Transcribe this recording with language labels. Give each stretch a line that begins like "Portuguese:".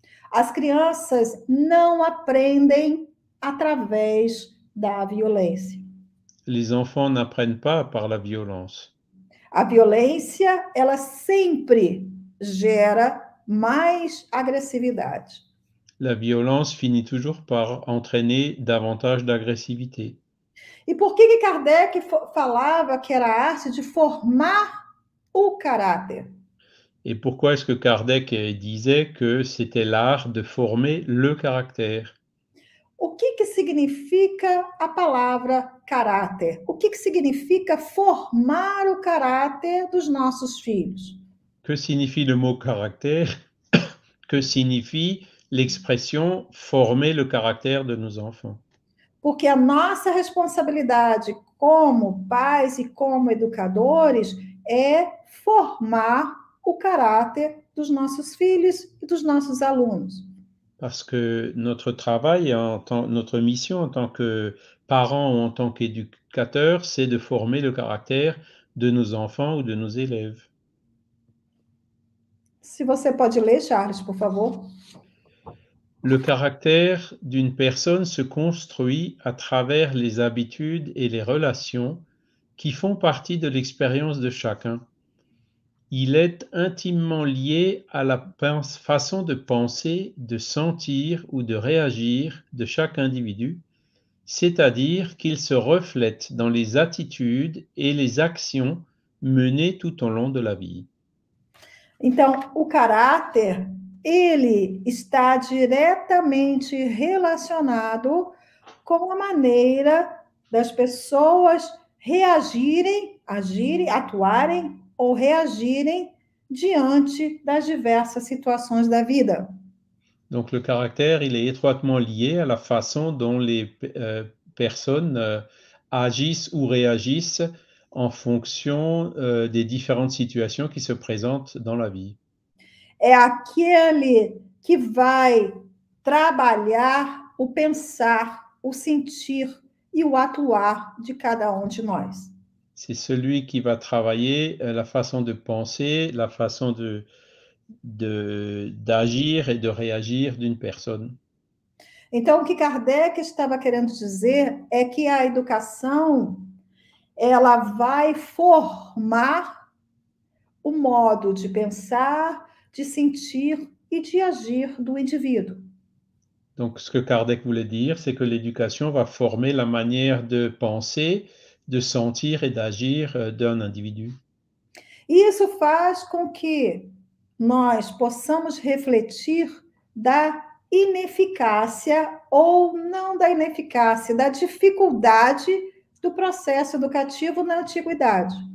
Portuguese: As crianças não aprendem através da violência.
French: Les enfants n'apprennent pas par la violence.
Portuguese: A violência, ela sempre gera mais agressividade.
French: La violence finit toujours par entraîner davantage d'agressivité.
Portuguese: E por que que Kardec falava que era a arte de formar o caráter?
French: Et pourquoi est-ce que Kardec disait que c'était l'art de former le caractère?
Portuguese: O que que significa a palavra caráter? O que que significa formar o caráter dos nossos filhos?
French: Que signifie le mot caractère? Que signifie l'expression former le caractère de nos enfants?
Portuguese: Porque a nossa responsabilidade como pais e como educadores é formar o caráter dos nossos filhos e dos nossos alunos.
French: Parce que notre travail, notre mission en tant que parents ou en tant qu'éducateurs, c'est de former le caractère de nos enfants ou de nos élèves.
Portuguese: Se você pode ler, Charles, por favor.
French: Le caractère d'une personne se construit à travers les habitudes et les relations qui font partie de l'expérience de chacun. Il est intimement lié à la façon de penser, de sentir ou de réagir de chaque individu, c'est-à-dire qu'il se reflète dans les attitudes et les actions menées tout au long de la vie.
Portuguese: Então, o caráter, ele está diretamente relacionado com a maneira das pessoas reagirem, agirem, atuarem ou reagirem diante das diversas situações da vida.
French: Donc le caractère, il est étroitement lié à la façon dont les personnes agissent ou réagissent en fonction des différentes situations qui se présentent dans la vie.
Portuguese: É aquele que vai trabalhar o pensar, o sentir e o atuar de cada um de nós.
French: C'est celui qui va travailler la façon de penser, la façon d'agir et de réagir d'une personne.
Portuguese: Então, o que Kardec estava querendo dizer é que a educação, ela vai formar o modo de pensar, de sentir e de agir do indivíduo.
French: Donc, ce que Kardec voulait dire, c'est que l'éducation va former la manière de penser, de sentir e d'agir
Portuguese: d'um indivíduo. Isso faz com que nós possamos refletir da ineficácia ou não da ineficácia, da dificuldade do processo educativo na antiguidade.